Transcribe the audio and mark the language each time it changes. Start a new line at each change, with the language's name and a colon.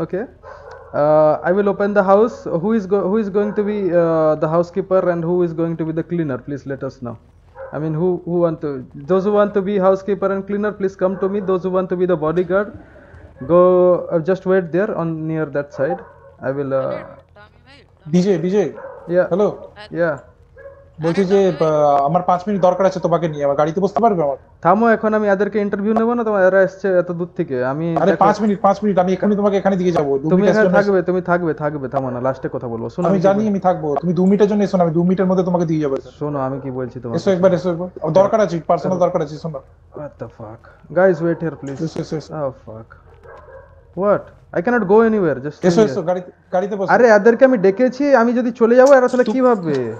English: Okay, I will open the house. Who is going to be the housekeeper and who is going to be the cleaner? Please let us know. I mean those who want to be housekeeper and cleaner, please come to me. Those who want to be the bodyguard. Go, just wait there on near that side. I will DJ. Yeah. Hello. Yeah.
Bangla: বলছি যে আমার 5 minute দরকার আছে তোমাকে নিয়ে, আমার গাড়িতে বসতে পারবে আমার? থামো, এখন আমি এদেরকে ইন্টারভিউ নেব না, তোমার এরা এসেছে এত দূর থেকে. আমি আরে 5 মিনিট আমি এখানে তোমাকে এখানে দিয়ে যাব. তুমি থাকবে. থামো না, লাস্টে কথা বলবো. শোনো, আমি জানি আমি থাকবো. তুমি 2 মিনিটের জন্য এসো না, আমি 2 মিনিটের মধ্যে তোমাকে দিয়ে যাব. শোনো, আমি কি বলছি তোমাকে, এসো একবার দরকার আছে, পার্সোনাল দরকার আছে. শোনো,
English: what the fuck guys, wait here please. Yes. Oh fuck, what, I cannot go anywhere, just
Bangla: এসো এসো গাড়িতে বসো. আরে এদেরকে আমি ডেকেছি, আমি যদি চলে যাব এরা তাহলে কি ভাববে?